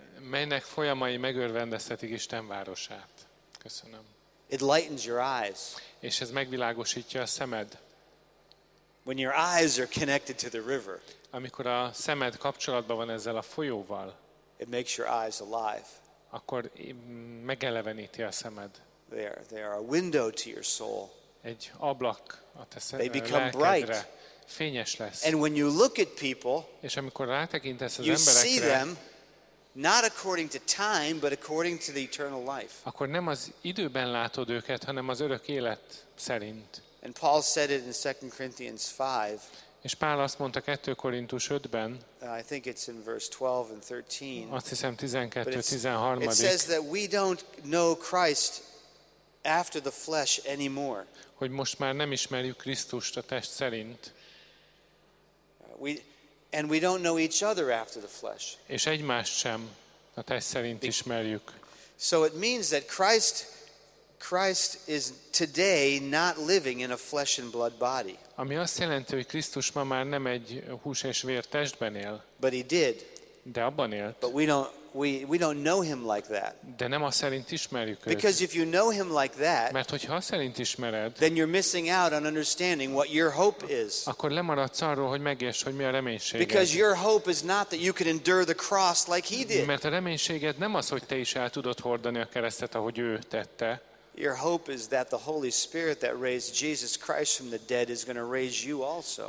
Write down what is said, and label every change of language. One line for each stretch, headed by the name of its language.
Hungarian: Melynek folyamai megörvendeztetik Isten városát. Köszönöm.
English: It lightens your eyes.
Hungarian: És ez megvilágosítja a szemed.
English: When your eyes are connected to the river.
Hungarian: Amikor a szemed kapcsolatban van ezzel a folyóval,
English: it makes your eyes alive.
Hungarian: Akkor megeleveníti a szemed.
English: They are a window to your soul.
Hungarian: Egy ablak a te lelkedre.
English: They become bright.
Hungarian: Fényes lesz.
English: And when you look at people,
Hungarian: és amikor rátekintesz az
English: you
Hungarian: emberekre,
English: see them not according to time, but according to the eternal life.
Hungarian: Akkor nem az időben látod őket, hanem az örök élet szerint.
English: And Paul said it in 2 Corinthians 5.
Hungarian: És Pál azt mondta 2 Korintus 5-ben.
English: I think it's in verse 12 and 13.
Hungarian: Azt hiszem 12-13.
English: It says that we don't know Christ after the flesh anymore.
Hungarian: Hogy most már nem ismerjük Krisztust a test szerint.
English: And we don't know each other after the flesh.
Hungarian: És egymást sem a test szerint ismerjük.
English: So it means that Christ is today not living in a flesh and blood body.
Hungarian: Ami azt jelenti, hogy Krisztus ma már nem egy hús és vér testben él.
English: But he did.
Hungarian: De abban élt.
English: But we don't know him like that.
Hungarian: De nem azt szerint ismerjük őt.
English: Because if you know him like that,
Hungarian: mert hogyha azt szerint ismered,
English: then you're missing out on understanding what your hope is.
Hungarian: Akkor lemaradsz arról, hogy megértsd, hogy mi a reménységed.
English: Because your hope is not that you can endure the cross like he did.
Hungarian: Mert a reménységed nem az, hogy te is el tudod hordani a keresztet, ahogy ő tette.
English: Your hope is that the Holy Spirit that raised Jesus Christ from the dead is going to raise you also.